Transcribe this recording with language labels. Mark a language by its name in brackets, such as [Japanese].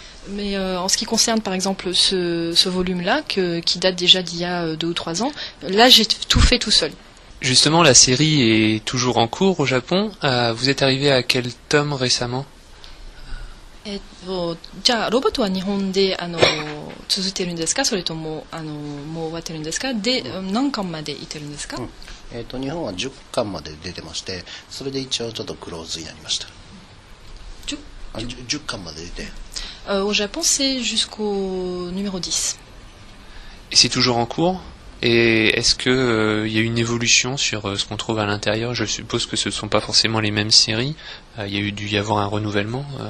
[French] Mais en ce qui concerne par exemple ce volume-là, qui date déjà d'il y a 2 ou 3 ans, là j'ai tout fait tout seul. Justement, la série est toujours en cours au Japon. Vous êtes arrivé à quel tome récemment? [Japanese] じゃあ ロボットは日本で続いてるんですか、それとももう終わってるんですか、で何巻までいてるんですか？えっと、日本は10巻まで出てまして、それで一応ちょっとクローズになりました。 10巻まで出て。 [French] Au Japon, c'est jusqu'au numéro 10. Et c'est toujours en cours? Et est-ce que il y a une évolution sur ce qu'on trouve à l'intérieur? Je suppose que ce ne sont pas forcément les mêmes séries. Il y a dû y avoir un renouvellement.